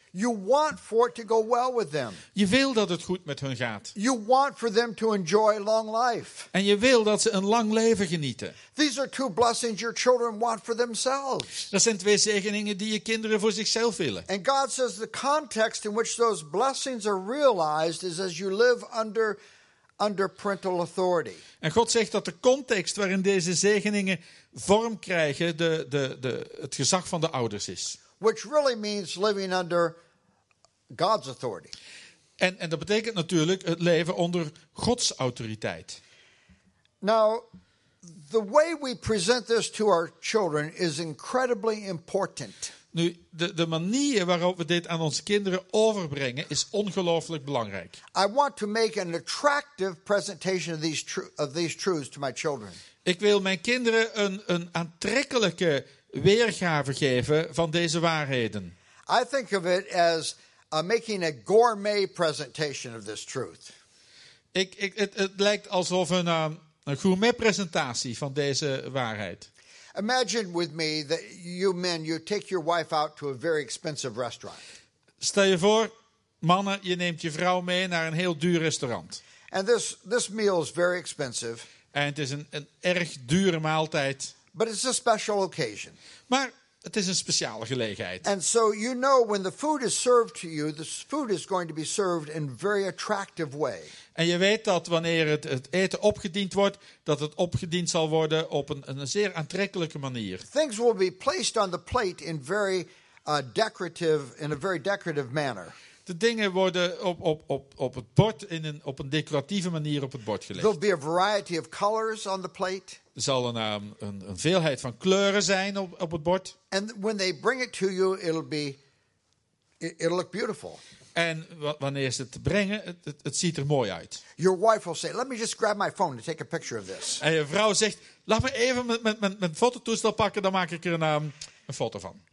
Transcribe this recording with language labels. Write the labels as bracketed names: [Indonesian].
[English] You want for it to go well with them. [Dutch] Je wil dat het goed met hun gaat. [English] You want for them to enjoy long life. [Dutch] En je wil dat ze een lang leven genieten. [English] These are two blessings your children want for themselves. [Dutch] Dat zijn twee zegeningen die je kinderen voor zichzelf willen. [English] And God says the context in which those blessings are realized is as you live under parental authority. [Dutch] En God zegt dat de context waarin deze zegeningen vorm krijgen het gezag van de ouders is. [English] Which really means living under God's authority. [Dutch] En dat betekent natuurlijk het leven onder Gods autoriteit. [English] Now, the way we present this to our children is incredibly important. [Dutch] Nu, de manier waarop we dit aan onze kinderen overbrengen is ongelooflijk belangrijk. [English] I want to make an attractive presentation of these truths to my children. [Dutch] Ik wil mijn kinderen een aantrekkelijke weergave geven van deze waarheden. [English] I think of it as making a gourmet presentation of this truth. [Dutch] Het lijkt alsof een gourmet presentatie van deze waarheid. [English] Imagine with me that you men you take your wife out to a very expensive restaurant. [Dutch] Stel je voor, mannen, je neemt je vrouw mee naar een heel duur restaurant. [English] And this meal is very expensive. [Dutch] En het is een erg dure maaltijd. [English] But it's a special occasion. [Dutch] Maar het is een speciale gelegenheid. [English] And so you know when the food is served to you, the food is going to be served in a very attractive way. [Dutch] En je weet dat wanneer het eten opgediend wordt, dat het opgediend zal worden op een zeer aantrekkelijke manier. [English] Things will be placed on the plate in very decorative in a very decorative manner. [Dutch] De dingen worden op het bord op een decoratieve manier op het bord gelegd. [English] There'll be a variety of colors on the plate. [Dutch] Er zal een veelheid van kleuren zijn op het bord. [English] And when they bring it to you, it'll look beautiful. [Dutch] En wanneer ze het brengen, het ziet er mooi uit. [English] Your wife will say, "Let me just grab my phone to take a picture of this." [Dutch] En je vrouw zegt, "Laat me even mijn fototoestel pakken, dan maak ik er een foto van."